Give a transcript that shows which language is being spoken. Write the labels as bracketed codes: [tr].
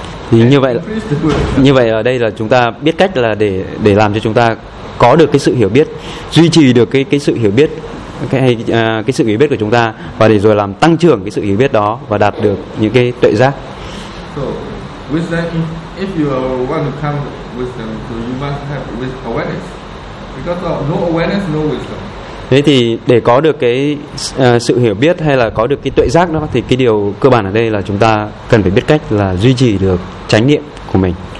[vi] Thì như vậy ở đây là chúng ta biết cách là để làm cho chúng ta có được cái sự hiểu biết, duy trì được cái sự hiểu biết, cái sự hiểu biết của chúng ta, và để rồi làm tăng trưởng cái sự hiểu biết đó và đạt được những cái tuệ giác. [en] So, wisdom, if you want to come wisdom, so you must have awareness. Because of no awareness, no wisdom. [vi] Thế thì để có được cái sự hiểu biết hay là có được cái tuệ giác đó, thì cái điều cơ bản ở đây là chúng ta cần phải biết cách là duy trì được chánh niệm của mình.